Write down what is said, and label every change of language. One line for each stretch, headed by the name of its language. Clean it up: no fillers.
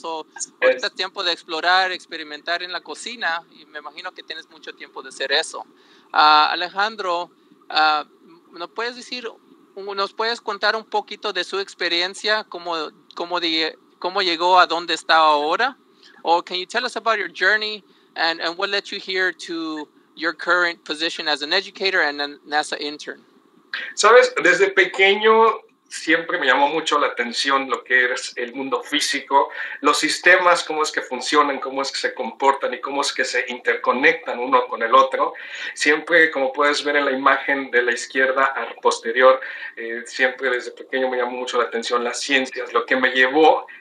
Spanish: Ahorita es tiempo de explorar, experimentar en la cocina y me imagino que tienes mucho tiempo de hacer eso. Alejandro, ¿nos puedes decir, nos puedes contar un poquito de su experiencia, cómo llegó a donde está ahora?
English: Or can you tell us about your journey and what led you here to your current position as an educator and a NASA intern?
Spanish: Sabes, desde pequeño siempre me llamó mucho la atención lo que es el mundo físico, los sistemas, cómo es que funcionan, cómo es que se comportan y cómo es que se interconectan uno con el otro. Siempre, como puedes ver en la imagen de la izquierda al posterior, siempre desde pequeño me llamó mucho la atención las ciencias, lo que me llevó